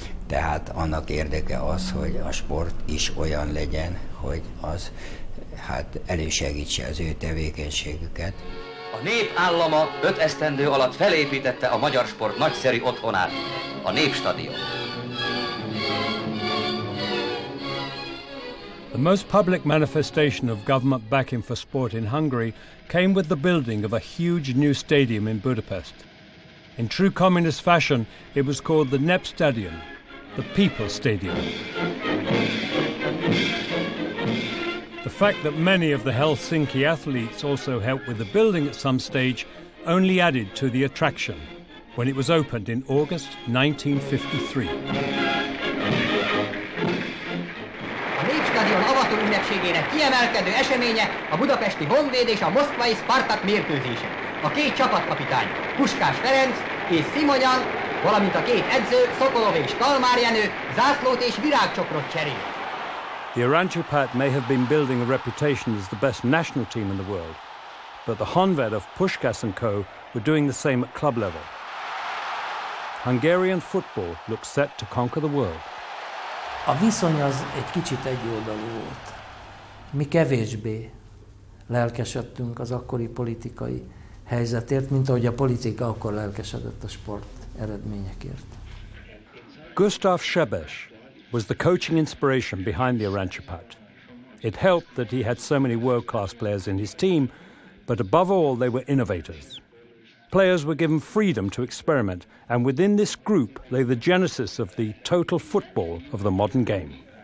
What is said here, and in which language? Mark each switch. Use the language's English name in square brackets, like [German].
[Hungarian] Tehát annak érdeke az, hogy a sport is olyan legyen, hogy az hát elősegítse az ő tevékenységüket. A nép állama 5 esztendő alatt felépítette a magyar sport nagyszerű otthonát, a Népstadion. [English] The most public manifestation of government backing for sport in Hungary came with the building of a huge new stadium in Budapest. In true communist fashion, it was called the Népstadion, the People's Stadium. The fact that many of the Helsinki athletes also helped with the building at some stage only added to the attraction when it was opened in August 1953. [Hungarian] Stadion avató ünnepségének kiemelkedő eseménye a budapesti Honvéd és a moszkvai Spartak mérkőzése. A két csapatkapitány, Puskás Ferenc és Szimonyan, valamint a két edző, Szokolov és Kalmár Jenő, zászlót és virágcsokrot cserél. [English] The Arancsapat may have been building a reputation as the best national team in the world, but the Honved of Puskás and co. were doing the same at club level. Hungarian football looks set to conquer the world. [Hungarian] A viszony az egy kicsit egyoldalú volt. Mi kevésbé lelkesedtünk az akkori politikai helyzetért, mint ahogy a politika akkor lelkesedett a sport eredményekért. [English] Gustav Sebes was the coaching inspiration behind the Arancsapat. It helped that he had so many world-class players in his team, but above all they were innovators. Players were given freedom to experiment, and within this group lay the genesis of the total football of the modern game.